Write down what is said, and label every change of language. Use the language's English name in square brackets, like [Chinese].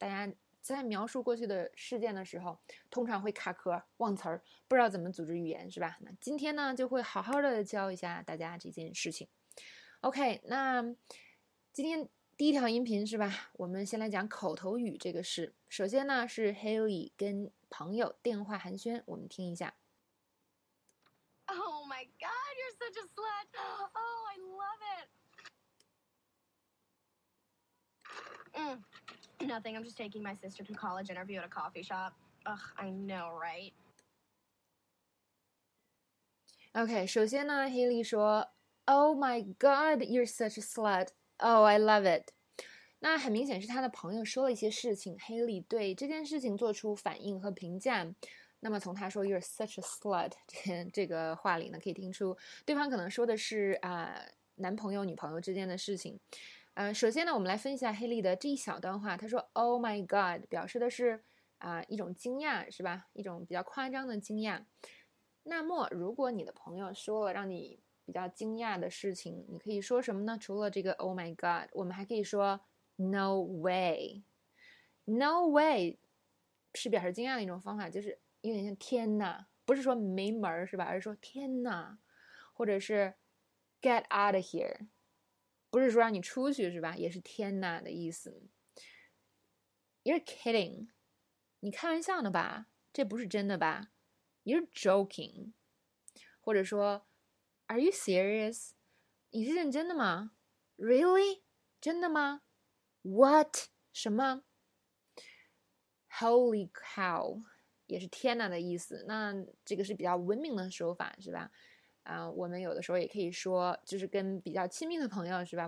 [Chinese] 大家在描述过去的事件的时候，通常会卡壳、忘词儿，不知道怎么组织语言，是吧？那今天呢，就会好好的教一下大家这件事情。 OK，那今天第一条音频是吧？我们先来讲口头语这个事。首先呢，是 Haley 跟朋友电话寒暄，我们听一下。 [English] Oh my God, you're such a slut! Oh, I love it. Nothing. I'm just taking my sister to college interview at a coffee shop. Ugh, I know, right? OK， [Chinese] 首先呢， [English] Haley 说：“Oh my God, you're such a slut. Oh, I love it.” [Chinese] 那很明显是他的朋友说了一些事情，Haley 对这件事情做出反应和评价。那么从他说 [English] "You're such a slut" [Chinese] 这个话里呢，可以听出对方可能说的是男朋友、女朋友之间的事情。首先呢，我们来分析一下 Haley 的这一小段话。他说 [English] "Oh my God" [Chinese] 表示的是一种惊讶，是吧？一种比较夸张的惊讶。那么如果你的朋友说了让你比较惊讶的事情，你可以说什么呢？除了这个 [English] "Oh my God"， [Chinese] 我们还可以说 [English] "No way"。 No way [Chinese] 是表示惊讶的一种方法，就是。有点像天呐，不是说没门儿是吧？而是说天呐，或者是 [English] get out of here， [Chinese] 不是说让你出去是吧？也是天呐的意思。 [English] You're kidding， [Chinese] 你开玩笑呢吧？这不是真的吧？ [English] You're joking， [Chinese] 或者说 [English] Are you serious？ [Chinese] 你是认真的吗？ [English] Really？ [Chinese] 真的吗？ [English] What？ [Chinese] 什么？ [English] Holy cow！ [Chinese] 也是天呐的意思，那这个是比较文明的说法，是吧？我们有的时候也可以说，就是跟比较亲密的朋友，是吧？